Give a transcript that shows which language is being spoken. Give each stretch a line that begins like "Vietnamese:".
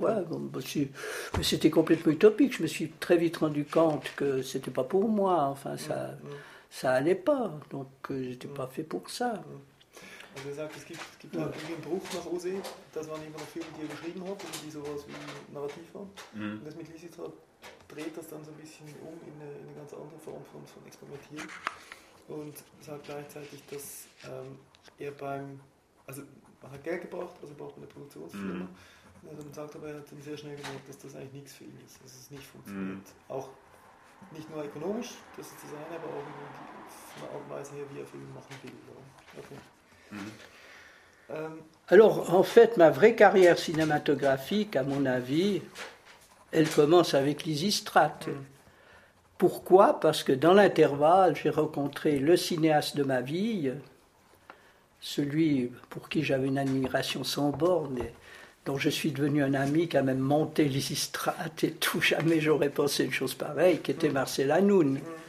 French: Mais c'était complètement utopique. Je me suis très vite rendu compte que c'était pas pour moi. Enfin, ça allait pas. Donc, j'étais pas fait pour ça. Vous avez dit qu'il y a un
German: bruch nach Osé, dass man immer Filme, die er geschrieben hat, und die sowas wie narrativ haben. Und das mit Lysistrate dreht das dann so ein bisschen um in eine ganz andere Form von Experimentieren. Und sagt gleichzeitig, dass er beim. Also man hat Geld gebraucht, also braucht man eine Produktionsfirma. Mhm. Also, man sagt aber, er hat dann sehr schnell gemerkt, dass das eigentlich nichts für ihn ist, dass es nicht funktioniert. Mhm. Auch nicht nur ökonomisch, das ist das eine, aber auch von der Art und Weise her, wie er Filme machen will. Okay. Mhm.
French: Alors, en fait, ma vraie carrière cinématographique, à mon avis, elle commence avec Lysistrate. Mhm. Pourquoi? Parce que dans l'intervalle, j'ai rencontré le cinéaste de ma vie, celui pour qui j'avais une admiration sans borne, et dont je suis devenu un ami, qui a même monté Lysistrate et tout, jamais j'aurais pensé une chose pareille, qui était Marcel Hanoun.